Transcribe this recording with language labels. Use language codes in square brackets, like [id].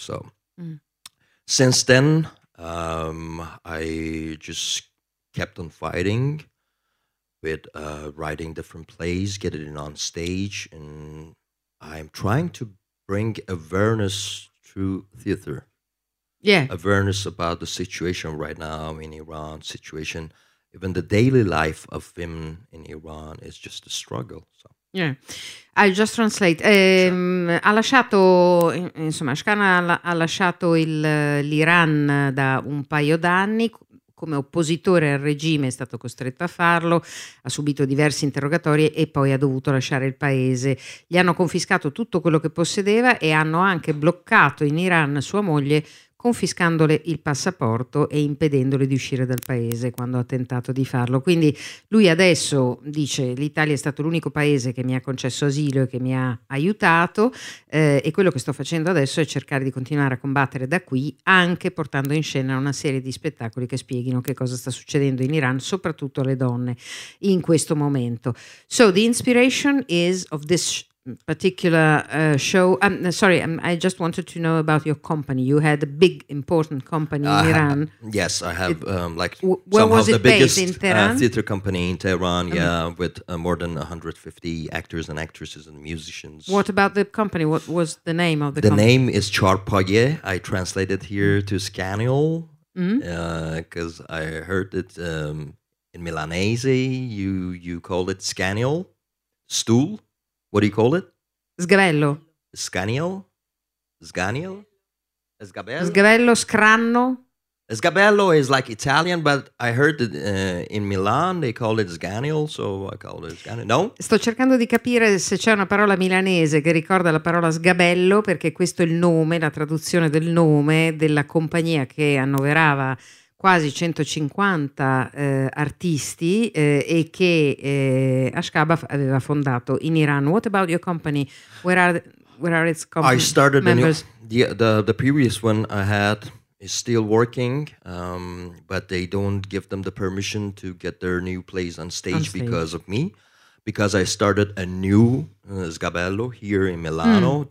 [en] So since then, I just kept on fighting with writing different plays, getting it on stage, and I'm trying to bring awareness to theater. Yeah, awareness about the situation right now in Iran, situation, even the daily life of women in Iran is just a struggle. So. Yeah, I'll just translate. Sure. [it] Ha lasciato, insomma, Ashkan ha lasciato l'Iran da un paio d'anni, come oppositore al regime è stato costretto a farlo, ha subito diversi interrogatori e poi ha dovuto lasciare il paese. Gli hanno confiscato tutto quello che possedeva e hanno anche bloccato in Iran sua moglie, confiscandole il passaporto e impedendole di uscire dal paese quando ha tentato di farlo. Quindi lui adesso dice: l'Italia è stato l'unico paese che mi ha concesso asilo e che mi ha aiutato, e quello che sto facendo adesso è cercare di continuare a combattere da qui, anche portando in scena una serie di spettacoli che spieghino che cosa sta succedendo in Iran, soprattutto alle donne in questo momento. [en] So the inspiration is of this particular show. I just wanted to know about your company. You had a big, important company in Iran. Yes, I have. Where was it the biggest, based in Tehran? Theater company in Tehran, with more than 150 actors and actresses and musicians. What about the company? What was the name of the company? The name is Charpaye. I translated here to Scaniel because I heard it in Milanese. You call it Scaniel, stool. What do you call it? [it] Sgabello. Scaniel? Sganiel? Sgabello? Sgabello, scranno. [en] Sgabello is like Italian, but I heard that in Milan they call it Sganiel, so I call it Sganiel. No? [it] Sto cercando di capire se c'è una parola milanese che ricorda la parola sgabello, perché questo è il nome, la traduzione del nome della compagnia che annoverava quasi 150 artisti e che Ashkaba aveva fondato in Iran. [en] What about your company? Where are its I started members? The previous one I had is still working, but they don't give them the permission to get their new plays on stage because of me. because I started a new Sgabello here in Milano. Mm.